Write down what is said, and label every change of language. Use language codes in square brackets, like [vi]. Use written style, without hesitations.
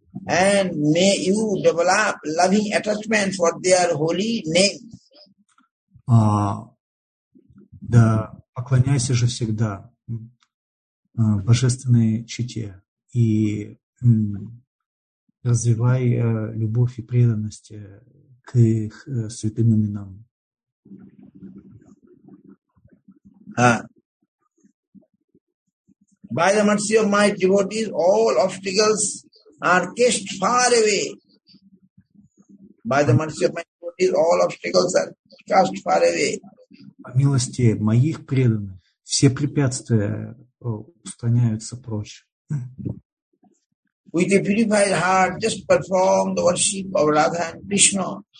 [en] And may you develop loving attachment for their holy name. [ru] Да, поклоняйся же всегда божественной чите и развивай любовь и преданность к их святым именам. [en] By the mercy of my devotees, all obstacles are cast far away. By the mercy of my devotees, all obstacles are cast far away. [ru] По милости моих преданных, все препятствия устраняются прочь. [en] With a purified heart, just perform the worship of Radha and Krishna.